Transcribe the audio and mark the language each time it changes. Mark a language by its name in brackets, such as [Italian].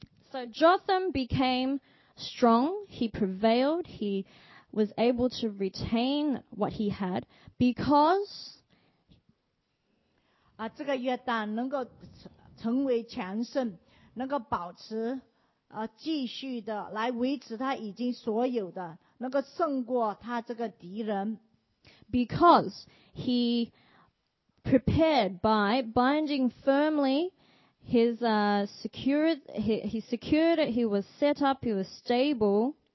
[English] So Jotham became strong. He prevailed. He was able to retain what he had because. [Chinese] 啊，这个约旦能够成为强盛，能够保持，继续的来维持他已经所有的，能够胜过他这个敌人。 [English] Because he prepared by binding firmly his secured it, he was set up, he was stable.